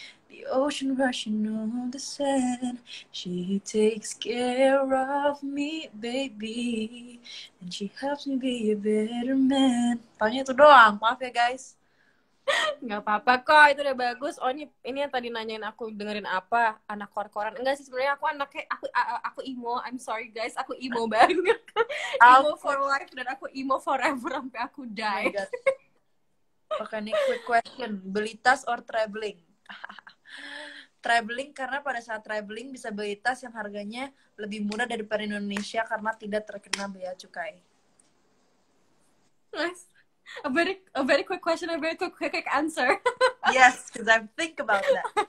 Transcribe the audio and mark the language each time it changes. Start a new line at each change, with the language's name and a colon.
English: The ocean rushing on the sand. She takes care of me, baby. And she helps me be a better man.
Indonesian: Tanya itu doang. Maaf ya, guys. Nggak apa-apa kok, itu udah bagus. Oh, ini yang tadi nanyain aku dengerin apa, anak kor-koran. Enggak sih, sebenarnya aku anaknya, aku emo,
English: I'm sorry guys,
Indonesian: aku emo banget.
English: Emo for life,
Indonesian: dan aku
English: emo forever
Indonesian: sampai aku
English: die. Oh,
Indonesian: oke, ini
English: quick question,
Indonesian: beli tas
English: or traveling?
Indonesian: Traveling, karena pada saat traveling bisa beli tas yang harganya lebih murah daripada Indonesia karena tidak terkena biaya cukai.
English: Nice. A very quick question, a very quick answer. Yes, because I think about that.